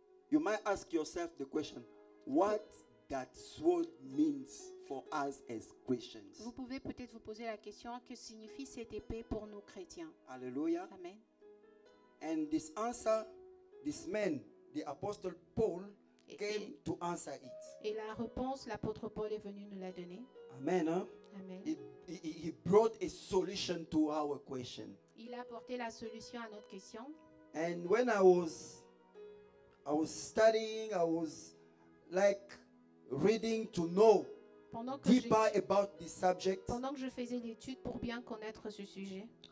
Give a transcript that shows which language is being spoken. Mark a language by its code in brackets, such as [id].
[en] You might ask yourself the question, what that sword means for us as Christians. [fr] Vous pouvez peut-être vous poser la question, que signifie cette épée pour nous chrétiens? [en] Hallelujah. Amen. And this answer this man, the apostle Paul, came to answer it. [fr] Et la réponse, l'apôtre Paul est venu nous la donner. Amen. Hein? Amen. [en] He brought a solution to our question. [fr] Il a apporté la solution à notre question. [en] And when I was studying, I was like reading to know deeper about the subject. [fr] Pendant que je faisais l'étude pour bien connaître ce sujet,